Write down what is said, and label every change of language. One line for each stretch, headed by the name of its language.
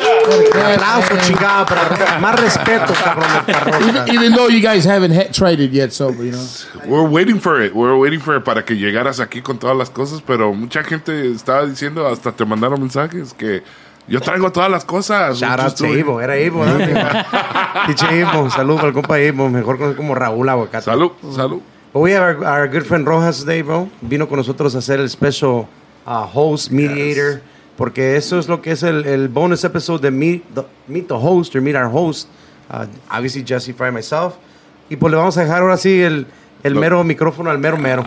Spanish: Aplauso, chingada, para más respeto, cabrón, para Rojas.
English: Even though you guys haven't tried it yet, so, you know. We're waiting for it.
Spanish: We're waiting for it para que llegaras aquí con todas las cosas, pero mucha gente estaba diciendo, hasta te mandaron mensajes, que yo traigo todas las cosas.
English: Shout out to Ivo,
Spanish: era Ivo. Dice Ivo, salud para el compa Ivo, mejor conocido como Raúl Aguacate. Salud, salud.
English: But we have our good friend Rojas today, bro.
Spanish: Vino con nosotros a hacer el
English: special host, mediator. Yes.
Spanish: Porque eso es lo que es el bonus episode de
English: meet the host or meet our host. Obviously, Jesse Fry, myself.
Spanish: Y pues le vamos a dejar ahora sí el mero micrófono al mero mero.